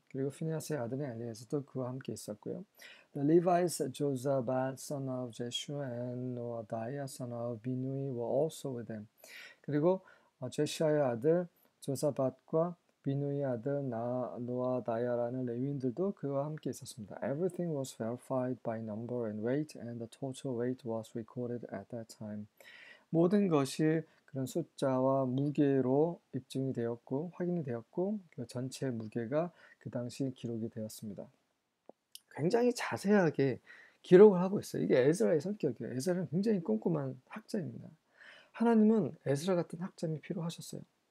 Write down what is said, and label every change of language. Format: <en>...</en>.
<ko>그리고 피니아스의 아들인 엘리에서도 그와 함께 있었고요.</ko> <en>The Levites Jozabad son of Jeshua and Noadiah son of Binui were also with them.</en> <ko>그리고 제시아의 아들 조사밧과 비누이의 아들 노아다야라는 레위인들도 그와 함께 있었습니다.</ko> <en>Everything was verified by number and weight, and the total weight was recorded at that time.</en> <ko>모든 것이 그런 숫자와 무게로 입증이 되었고 확인이 되었고 전체 무게가 그 당시 기록이 되었습니다. 굉장히 자세하게 기록을 하고 있어요. 이게 에스라의 성격이에요. 에스라는 굉장히 꼼꼼한 학자입니다. 하나님은 에스라 같은 학자님이 필요하셨어요.</ko>